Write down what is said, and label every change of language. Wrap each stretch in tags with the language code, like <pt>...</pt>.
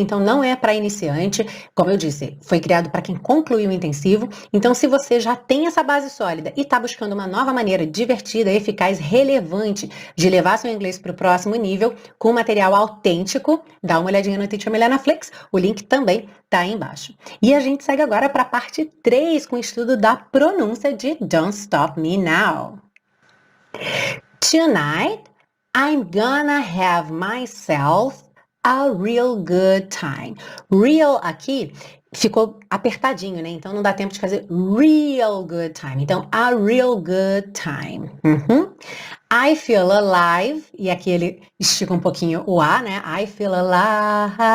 <pt>Então não é para iniciante, como eu disse, foi criado para quem concluiu o intensivo, então se você já tem essa base sólida e está buscando uma nova maneira divertida, eficaz, relevante de levar seu inglês para o próximo nível, com material autêntico, dá uma olhadinha no Teacher Milena Flex, o link também tá aí embaixo. E a gente segue agora para a parte 3, com o estudo da pronúncia de Don't Stop Me Now.</pt> <en>Tonight, I'm gonna have myself a real good time.</en> <pt>Real aqui ficou apertadinho, né? Então não dá tempo de fazer</pt> <en>real good time. Então, a real good time. Uhum. I feel alive.</en> <pt>E aqui ele estica um pouquinho o A, né?</pt> <en>I feel alive.</en>